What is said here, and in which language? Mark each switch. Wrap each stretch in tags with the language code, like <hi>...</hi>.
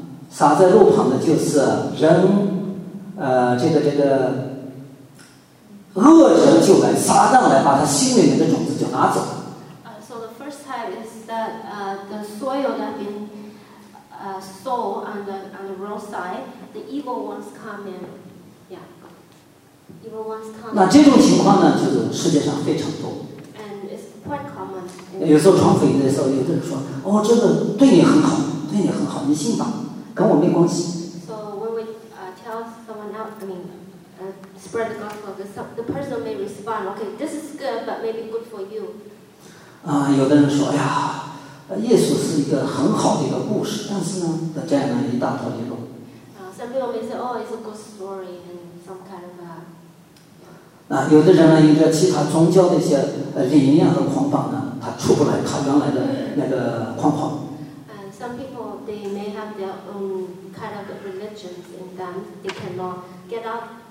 <zh>撒在路旁的就是人，这个。恶人就来，撒旦来把他心里面的种子就拿走。</zh> <en>So the first type is that the soil that been sown on the roadside, the evil ones come in, yeah, evil ones come.</en> <zh>那这种情况呢，就是世界上非常多。</zh> <en>And it's quite common.</en> <zh>有时候传福音的时候，有的人说，哦，这个对你很好，对你很好，你信吧，跟我没关系。</zh> <en>So when we tell someone else, spread the gospel, the person may respond, okay, this is good, but maybe good for you.</en> <zh>有的人说，哎呀，耶稣是一个很好的一个故事，但是呢，他这样一大套理论。</zh> <en>Some people may say, oh, it's a good story and some kind of a.</en> <zh>有的人呢，因着其他宗教的一些理念和捆绑呢，他出不来他原来的那个框框。</zh> <en>Some people they may have their own kind of religions in them, they cannot get out.</en>